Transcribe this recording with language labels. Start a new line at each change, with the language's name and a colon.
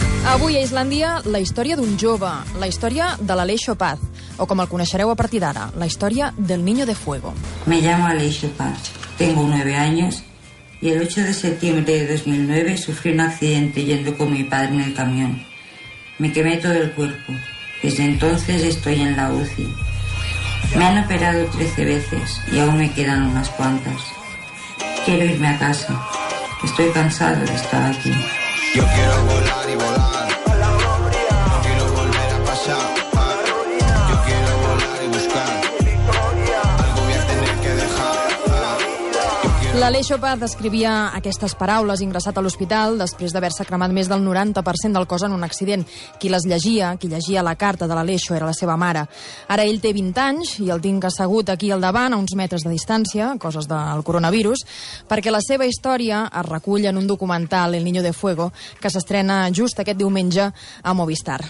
Catalan: Avui a Islàndia, la història d'un jove, la història de l'Aleixo Paz, o com el coneixereu a partir d'ara, la història del Niño de Fuego.
Spanish: Me llamo Aleixo Paz, tengo 9 años y el 8 de septiembre de 2009 sufrí un accidente yendo con mi padre en el camión. Me quemé todo el cuerpo. Desde entonces estoy en la UCI. Me han operado 13 veces y aún me quedan unas cuantas. Quiero irme a casa. Estoy cansado de estar aquí. Yo quiero volar y volar. No quiero volver a pasar. Yo quiero volar y buscar. Algo voy a tener que dejar.
Catalan: L'Aleixo Paz escrivia aquestes paraules ingressat a l'hospital després d'haver-se cremat més del 90% del cos en un accident. Qui les llegia, qui llegia la carta de l'Aleixo, era la seva mare. Ara ell té 20 anys i el tinc assegut aquí al davant, a uns metres de distància, coses del coronavirus, perquè la seva història es recull en un documental, El Niño de Fuego, que s'estrena just aquest diumenge a Movistar.